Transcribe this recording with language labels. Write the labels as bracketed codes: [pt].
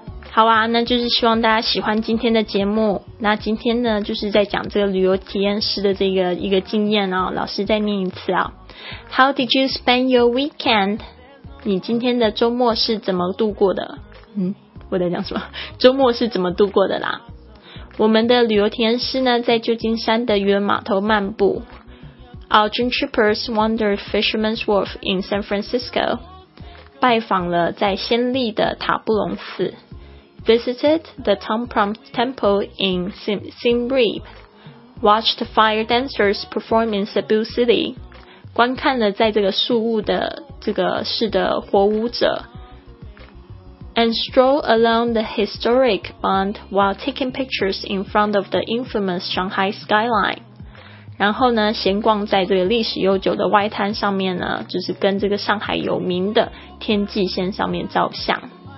[zh] 好啊，那就是希望大家喜欢今天的节目。那今天呢，就是在讲这个旅游体验师的这个一个经验哦。老师再念一次啊、哦、， [en] How did you spend your weekend？ [zh] 你今天的周末是怎么度过的？我在讲什么？周末是怎么度过的啦？我们的旅游体验师呢，在旧金山的渔人码头漫步。 [en] Our dream trippers wandered Fisherman's Wharf in San Francisco， [zh] 拜访了在暹粒的塔布隆寺。 [en] Visited the Tom Prom Temple in Siem Reap. Watched fire dancers perform in Cebu City. [zh] 观看了在这个宿务的这个市的火舞者。 [en] And stroll along the historic Bund while taking pictures in front of the infamous Shanghai skyline. [zh] 然后呢，闲逛在这个历史悠久的外滩上面呢，就是跟这个上海有名的天际线上面照相。